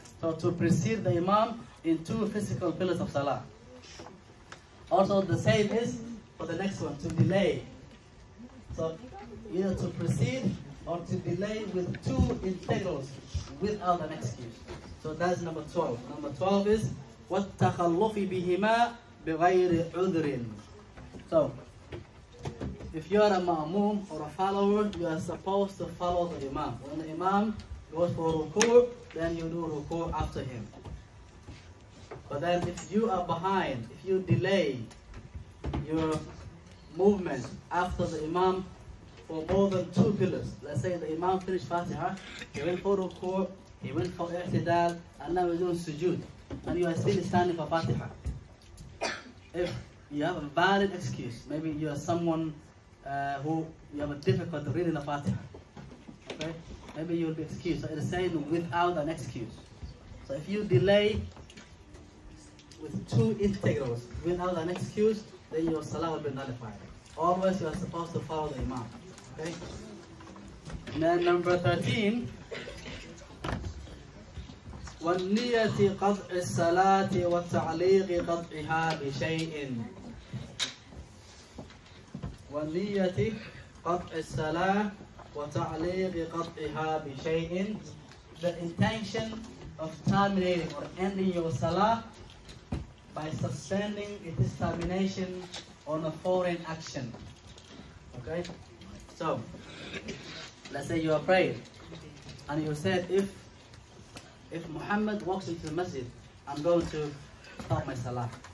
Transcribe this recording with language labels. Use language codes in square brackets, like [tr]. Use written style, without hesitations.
[en] So to precede the imam in two physical pillars of salah. Also the same is for the next one, to delay. So either to precede or to delay with two integrals without an excuse. So that's number 12. Number 12 is [ar] وَالتَّخَلُّفِ بِهِمَا بِغَيْرِ عُذْرٍ. [en] So if you are a ma'amum or a follower, you are supposed to follow the imam. When the imam goes for ruku', then you do ruku' after him. But then if you are behind, if you delay your movement after the imam for more than two pillars, let's say the imam finished Fatiha, he went for ruku', he went for i'tidal, and now he's doing sujood, and you are still standing for Fatiha. If you have a valid excuse, maybe you are someone who you have a difficult reading the Fatiha, okay? Maybe you'll be excused. So it's saying without an excuse. So if you delay with two integrals without an excuse, then your salah will be nullified. Always you are supposed to follow the imam, okay? And then number 13. [ar] والنية قطع الصلاة والتعليق قطعها بشيء. والنية قطع الصلاة وتعليق قطعها بشيء. [en] The intention of terminating or ending your salah by suspending its termination on a foreign action. Okay? So, let's say you are praying and you said, If Muhammad walks into the masjid, I'm going to stop my salah.